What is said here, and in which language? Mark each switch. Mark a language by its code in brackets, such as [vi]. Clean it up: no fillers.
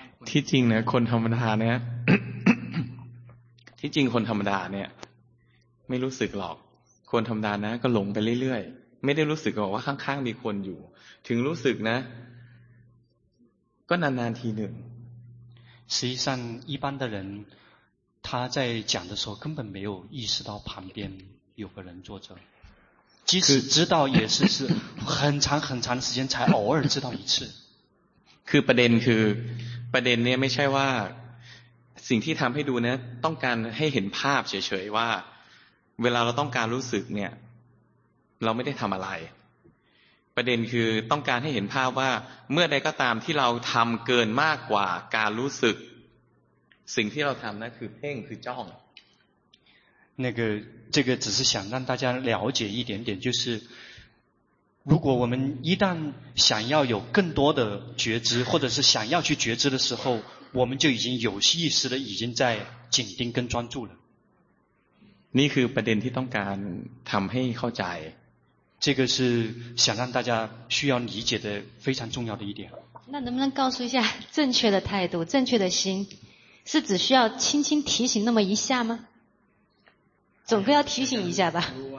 [th] ที่จริงนะคนธรรมดาเนี่ย ที่จริงคนธรรมดาเนี่ยไม่รู้สึกหรอกคนธรรมดานะก็หลงไปเรื่อยๆไม่ได้รู้สึกหรอกว่าข้างๆมีคนอยู่ถึงรู้สึกนะก็นานๆทีหนึ่ง [zh] 实际上一般的人他在讲的时候根本没有意识到旁边有个人坐着即使知道也是是很长很长的时间才偶尔知道一次 [th] คือประเด็นคือประเด็นเนี่ยไม่ใช่ว่าสิ่งที่ทำให้ดูเนี่ยต้องการให้เห็นภาพเฉยๆว่าเวลาเราต้องการรู้สึกเนี่ยเราไม่ได้ทำอะไรประเด็นคือต้องการให้เห็นภาพว่าเมื่อใดก็ตามที่เราทำเกินมากกว่าการรู้สึกสิ่งที่เราทำนั่นคือเพ่งคือจ้อง [zh] 那个这个只是想让大家了解一点点就是如果我们一旦想要有更多的觉知或者是想要去觉知的时候我们就已经有意识的已经在紧盯跟专注了 [th] นี่คือประเด็นที่ต้องการทำให้เข้าใจ [zh] 这个是想让大家需要理解的非常重要的一点那能不能告诉一下正确的态度正确的心是只需要轻轻提醒那么一下吗总归要提醒一下吧